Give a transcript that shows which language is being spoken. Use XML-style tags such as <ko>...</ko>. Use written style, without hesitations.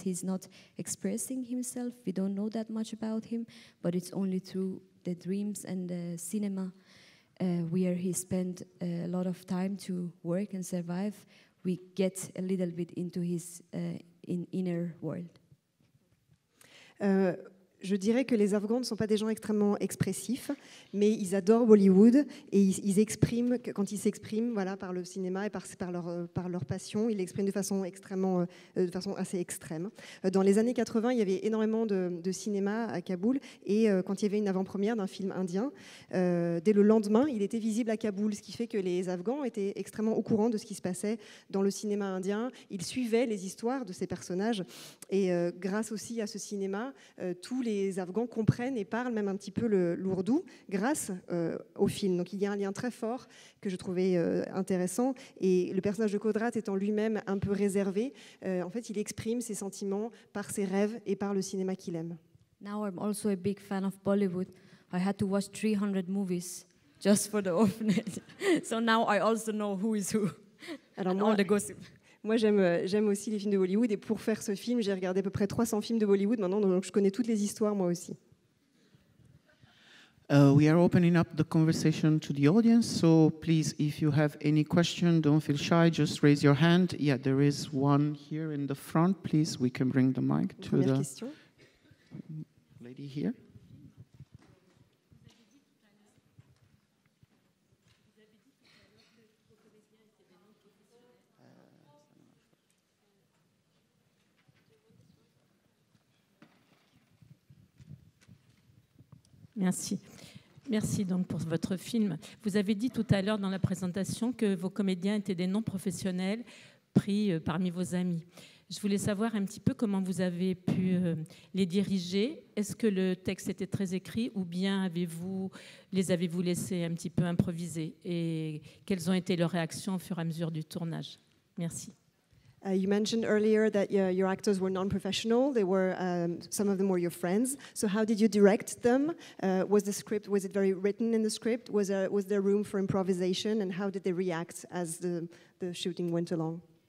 <en>He's not expressing himself. We don't know that much about him, but it's only through the dreams and the cinema where he spent a lot of time to work and survive, we get a little bit into his inner world.</en> <fr>Je dirais que les Afghans ne sont pas des gens extrêmement expressifs, mais ils adorent Bollywood et ils expriment, quand ils s'expriment, voilà, par le cinéma et par leur passion, ils l'expriment de façon assez extrême. Dans les années 80, il y avait énormément de cinéma à Kaboul, et quand il y avait une avant-première d'un film indien, dès le lendemain, il était visible à Kaboul, ce qui fait que les Afghans étaient extrêmement au courant de ce qui se passait dans le cinéma indien. Ils suivaient les histoires de ces personnages, et grâce aussi à ce cinéma, tout les Afghans comprennent et parlent même un petit peu l'ourdou grâce au film. Donc il y a un lien très fort que je trouvais intéressant, et le personnage de Kodrat étant lui-même un peu réservé, en fait il exprime ses sentiments par ses rêves et par le cinéma qu'il aime.</fr> <en>Now I'm also a big fan of Bollywood. I had to watch 300 movies just for the orphanage. So now I also know who is who.</en> <fr>Alors</fr> <en>and</en> <fr>moi,</fr> <en>all the gossip.</en> <fr>Moi, j'aime aussi les films de Bollywood, et pour faire ce film, j'ai regardé à peu près 300 films de Bollywood maintenant, donc je connais toutes les histoires, moi aussi.</fr> <en>We are opening up the conversation to the audience, so please, if you have any question, don't feel shy, just raise your hand. Yeah, there is one here in the front, please, we can bring the mic to the lady here.</en> <fr>Merci. Merci donc pour votre film. Vous avez dit tout à l'heure dans la présentation que vos comédiens étaient des non-professionnels pris parmi vos amis. Je voulais savoir un petit peu comment vous avez pu les diriger. Est-ce que le texte était très écrit, ou bien avez-vous laissé un petit peu improviser? Et quelles ont été leurs réactions au fur et à mesure du tournage? Merci.</fr> <en>You mentioned earlier that your actors were non-professional. They were some of them were your friends. So how did you direct them? Was it very written in the script? Was there room for improvisation? And how did they react as the shooting went along?</en>